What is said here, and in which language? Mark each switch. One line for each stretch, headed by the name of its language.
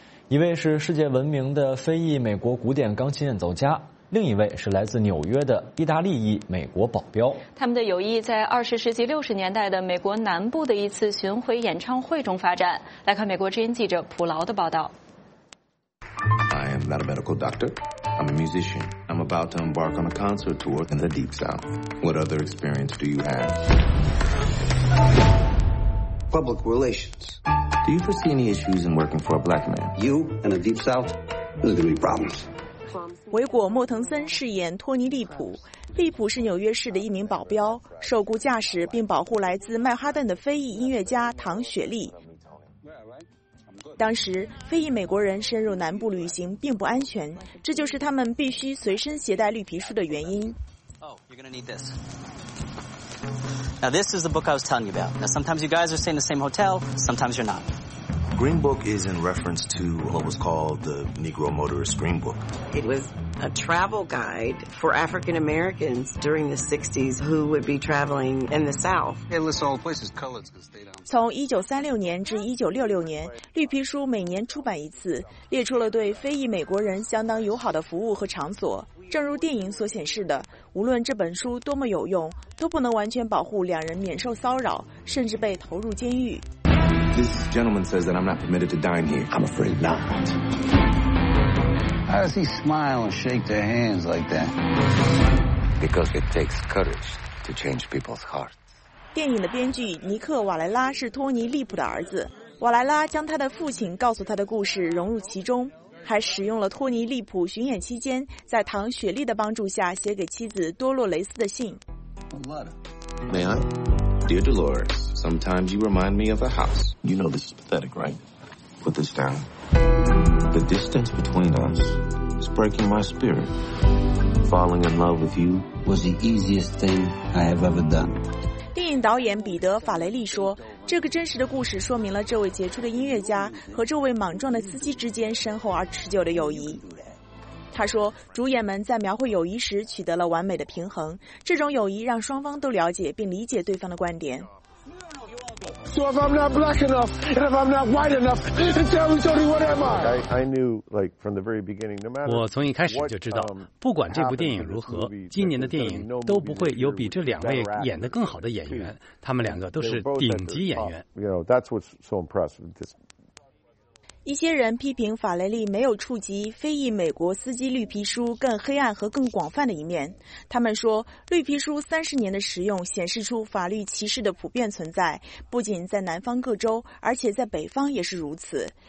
Chinese: 一位是世界闻名的非裔美国古典钢琴演奏家，另一位是来自纽约的意大利裔美国保镖。他们的友谊在20世纪60年代的美国南部的一次巡回演唱会中发展。来看美国之音记者普劳的报道。
English: I am not a medical doctor. I'm a musician. I'm about to embark on a concert tour in the Deep South. What other experience do you have? Public relations. Do you foresee any issues in working for a black man? You and the Deep South, there's going to be problems.
Chinese: 维果·莫腾森饰演托尼·利普，利普是纽约市的一名保镖，受雇驾驶并保护来自曼哈顿的非裔音乐家唐·雪莉。当时非裔美国人深入南部旅行并不安全，这就是他们必须随身携带绿皮书的原因。
English: Now this is the book I was telling you about. Now sometimes you guys are staying in the same hotel, sometimes you're not. Green Book is in reference to what was called the Negro Motorist Green Book. It was a travel guide for African Americans during the 60s who would be traveling in the South. It lists all places colors could stay down.
Chinese: 从1936年至1966年，绿皮书每年出版一次，列出了对非裔美国人相当友好的服务和场所。正如电影所显示的，无论这本书多么有用，都不能完全保护两人免受骚扰，甚至被投入监狱。
English: This gentleman says that I'm not permitted to dine here. I'm afraid not. How does he smile and shake their hands like that? Because it takes courage to change people's hearts.
Chinese: 电影的编剧尼克·瓦莱拉是托尼·利普的儿子。瓦莱拉将他的父亲告诉他的故事融入其中，还使用了托尼·利普巡演期间在唐·雪莉的帮助下写给妻子多洛雷斯的信。
English: May I? Dear Dolores, sometimes you remind me of a house. You know this is pathetic, right? Put this down. The distance between us is breaking my spirit. Falling in love with you was the easiest thing I have ever done.
Chinese: 电影导演彼得·法雷利说，这个真实的故事说明了这位杰出的音乐家和这位莽撞的司机之间深厚而持久的友谊。他说，主演们在描绘友谊时取得了完美的平衡，这种友谊让双方都了解并理解对方的观点。
English: So if I'm not black enough, and if I'm not white enough, tell me, Tony, what am I? I knew, like, from the very beginning, no matter.
Chinese: 我从一开始就知道，不管这部电影如何，今年的电影都不会有比这两位演得更好的演员，他们两个都是顶级演员。
English: You know, that's what's so impressive with this.
Chinese: 一些人批评法雷利没有触及非裔美国司机绿皮书更黑暗和更广泛的一面。他们说，绿皮书30年的使用显示出法律歧视的普遍存在，不仅在南方各州，而且在北方也是如此。